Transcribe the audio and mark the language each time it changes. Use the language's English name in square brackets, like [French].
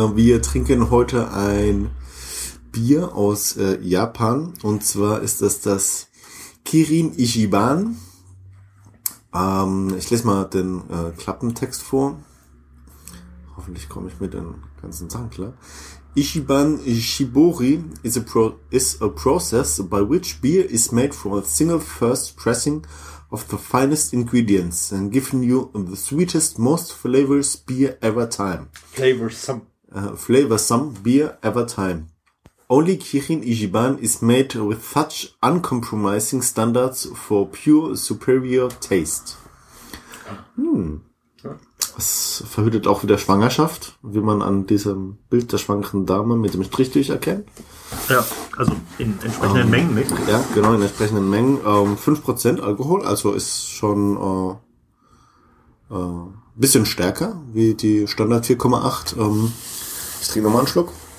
[German] Wir trinken heute ein Bier aus Japan. Und zwar ist das das Kirin Ichiban. Ich lese mal den Klappentext vor. Hoffentlich komme ich mit den ganzen Sachen klar. [English] Ichiban Shibori is a process by which beer is made from a single first pressing of the finest ingredients and giving you the sweetest, most flavorous beer ever time. Flavorsome beer ever time. Only Kirin Ichiban is made with such uncompromising standards for pure superior taste. [German] Es verhütet auch wieder Schwangerschaft, wie man an diesem Bild der schwangeren Dame mit dem Strich durcherkennt. Ja, also in entsprechenden Mengen, nicht? Ja, genau, in entsprechenden Mengen. 5% Alkohol, also ist schon ein bisschen stärker wie die Standard 4,8. Ich trinke nochmal einen Schluck.